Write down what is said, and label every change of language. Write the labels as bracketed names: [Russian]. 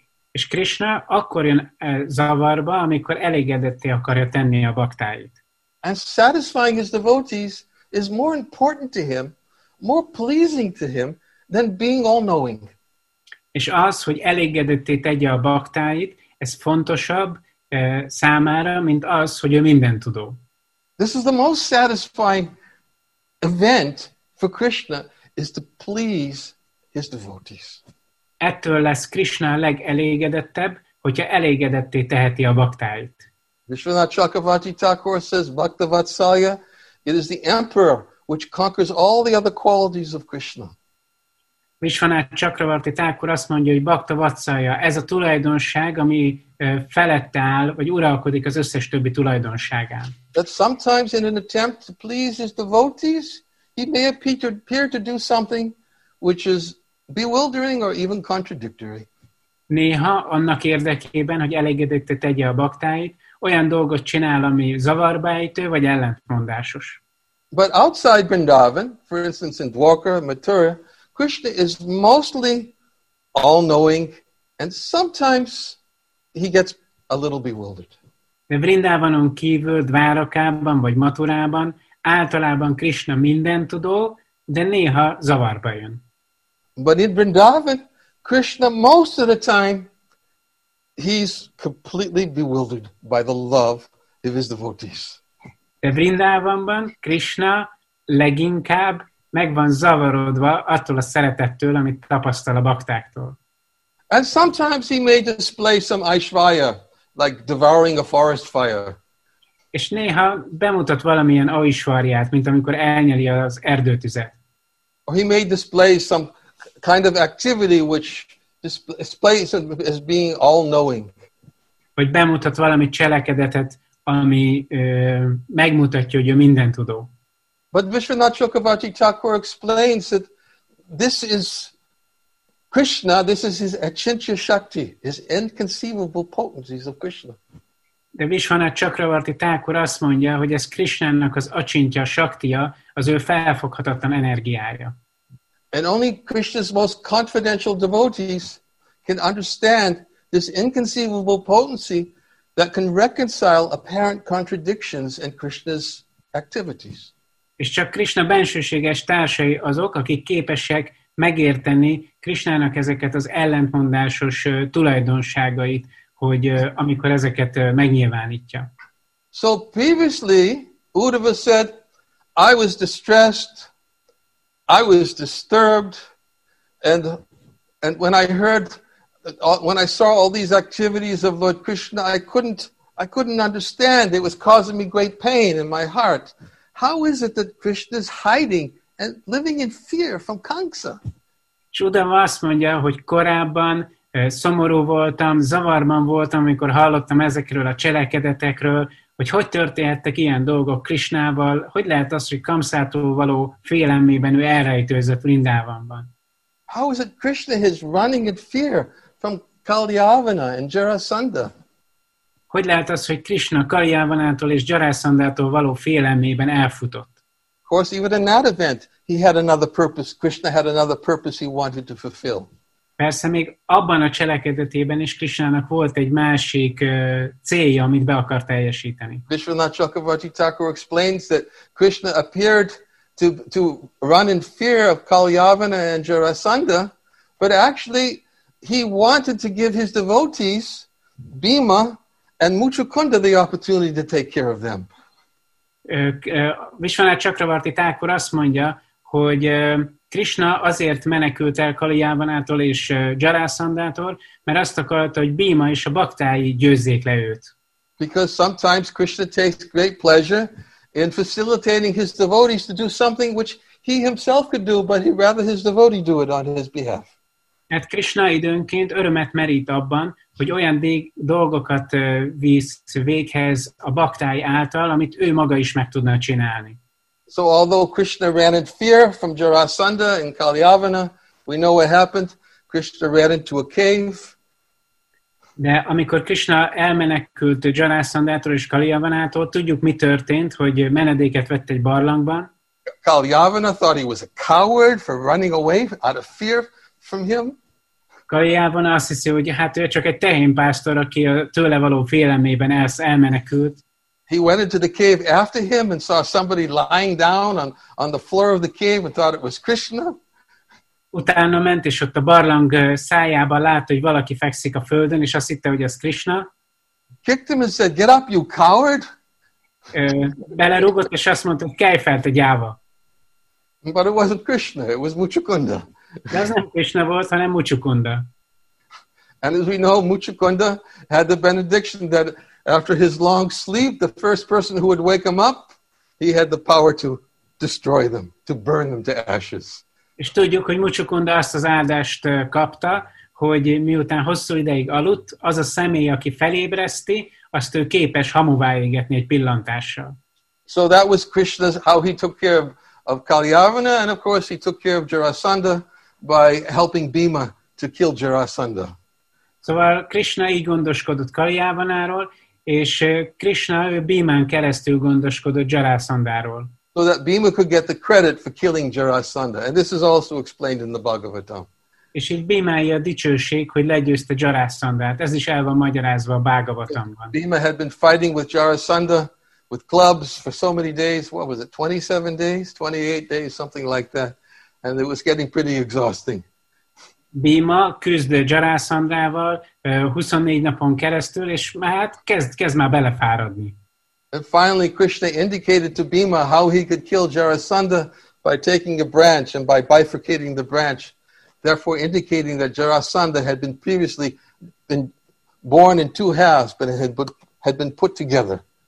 [Hungarian] És Krishna akkor jön zavarba, amikor elégedetté akarja tenni a baktáit. [English] And satisfying his devotees is more important to him, more pleasing to him than being all-knowing. [Hungarian] És az, hogy elégedetté tegye a baktáit, ez fontosabb számára, mint az, hogy ő mindentudó. [English] This is the most satisfying event for Krishna, is to please his devotees. [Hungarian] Ettől lesz Krishna legelégedettebb, hogyha elégedetté teheti a baktáit. [English] Vishvanatha Chakravarti Thakur says, Bhakta Vatsalya, it is the emperor which conquers all the other qualities of Krishna. [Hungarian] Vishvanatha Chakravarti Thakur azt mondja, hogy Bhakta Vatsalya, ez a tulajdonság, ami felett áll, vagy uralkodik az összes többi tulajdonságán. [English] That sometimes in an attempt to please his devotees, he may appear to do something which is bewildering or even contradictory. [Hungarian] Néha annak érdekében, hogy elégedetté tegye a baktáit, olyan dolgot csinál, ami zavarba ejtő vagy ellentmondásos. [English] But outside Vrindavan, for instance in Dwarka, Mathura, Krishna is mostly all-knowing and sometimes he gets a little bewildered. [Hungarian] De Vrindavanon kívül, Dvárakában vagy Maturában általában Krishna mindentudó, de néha zavarba jön. [English] But in Vrindavan, Krishna, most of the time, he's completely bewildered by the love of his devotees. [Hungarian] De Vrindavanban Krishna leginkább meg van zavarodva attól a szeretettől, amit tapasztal a baktáktól. [English] And sometimes he may display some aishvaya, like devouring a forest fire. [Hungarian] És néha bemutat valamilyen aishvaryát, mint amikor elnyeli az erdőtüzet. [English] Or he may display some kind of activity which displays as being all-knowing. [Hungarian] Vagy bemutat valami cselekedetet, ami megmutatja, hogy ő minden tudó. [English] But Vishwanatha Chakravarti Thakur explains that this is Krishna, this is his achintya shakti, his inconceivable potencies of Krishna. [Hungarian] De Vishwanatha Chakravarti Thakur azt mondja, hogy ez Krishnának az achintya shaktia, az ő felfoghatatlan energiája. [English] And only Krishna's most confidential devotees can understand this inconceivable potency that can reconcile apparent contradictions in Krishna's activities. [Hungarian] És csak Krishna bensőséges társai azok, akik képesek megérteni Krishnának ezeket az ellentmondásos tulajdonságait, hogy amikor ezeket megnyilvánítja. [English] So previously Uddhava said, I was distressed, I was disturbed, and when I heard, when I saw all these activities of Lord Krishna, I couldn't understand. It was causing me great pain in my heart. How is it that Krishna is hiding and living in fear from Kamsa? [Hungarian] Uddhava azt mondja, hogy korábban szomorú voltam, zavarban voltam, amikor hallottam ezekről a cselekedetekről, hogy történhettek ilyen dolgok Krishnával, hogy lehet az, hogy Kamszától való félelmében ő elrejtőzött Vrindávanban. [English] How is it Krishna is running in fear from Kalyavana and Jarasandha? [Hungarian] Hogy lehet az, hogy Krishna Kalyavanától és Jarasandától való félelmében elfutott? [English] Of course, even in that event, he had another purpose, Krishna had another purpose he wanted to fulfill. [Hungarian] Persze még abban a cselekedetében is Krishnának volt egy másik célja, amit be akar teljesíteni. [English] Vishwanatha Chakravarti Thakur explains that Krishna appeared to run in fear of Kalyavana and Jarasandha, but actually he wanted to give his devotees Bhima and Muchukunda the opportunity to take care of them. [Hungarian] Vishwanatha Chakravarti Thakur azt mondja, hogy Krishna azért menekült el Kalyavanától és Jarasandától, mert azt akarta, hogy Bhima és a baktái győzzék le őt. [English] Because sometimes Krishna takes great pleasure in facilitating his devotees to do something which he himself could do, but he'd rather his devotee do it on his behalf. [Hungarian] Hát Krishna időnként örömet merít abban, hogy olyan dolgokat visz véghez a baktái által, amit ő maga is meg tudna csinálni. [English] So although Krishna ran in fear from Jarasandha and Kalyavana, we know what happened. Krishna ran into a cave. [Hungarian] De amikor Krishna elmenekült Jarasandától és Kalyavanától, tudjuk mi történt, hogy menedéket vett egy barlangban. [English] Kalyavana thought he was a coward for running away out of fear from him. [Hungarian] Kalyavana azt hiszi, hogy hát ő csak egy tehénpásztor, aki a tőle való félelmében elmenekült. [English] He went into the cave after him and saw somebody lying down on the floor of the cave and thought it was Krishna. [Hungarian] Utána ment, és ott a barlang szájába látta, hogy valaki fekszik a földön, és azt hitte, hogy ez Krishna. [English] Kicked him and said, "Get up, you coward!" [Hungarian] Belerúgott, és azt mondta, hogy kelj fel, te gyáva. [English] But it wasn't Krishna, it was Muchukunda. [Hungarian] De az nem Krishna volt, hanem Muchukunda. [English] And as we know, Muchukunda had the benediction that after his long sleep, the first person who would wake him up, he had the power to destroy them, to burn them to ashes. [Hungarian] És tudjuk, hogy Muchukunda azt az áldást kapta, hogy miután hosszú ideig aludt, az a személy, aki felébreszti, azt ő képes hamuvá égetni egy pillantással. [English] So that was Krishna's, how he took care of Kalyavana, and of course he took care of Jarasandha by helping Bhima to kill Jarasandha. [Hungarian] Szóval Krishna így gondoskodott Kalyavanáról, és Krishna Bhimán keresztül gondoskodott Jarasandáról. [English] So that Bhima could get the credit for killing Jarasandha. And this is also explained in the Bhagavatam. [Hungarian] És így Bhimája a dicsőség, hogy legyőzte Jarasandát. Ez is el van magyarázva a Bhagavatamban. [English] Bhima had been fighting with Jarasandha with clubs for so many days. What was it, 27 days, 28 days, something like that. And it was getting pretty exhausting. [Hungarian] Bhima küzd Jarasandával 24 napon keresztül, és hát kezd már belefáradni. [English] And finally Krishna indicated to Bhima how he could kill Jarasandha by taking a branch and by bifurcating the branch, therefore indicating that Jarasandha had been previously been born in two halves, but it had been put together.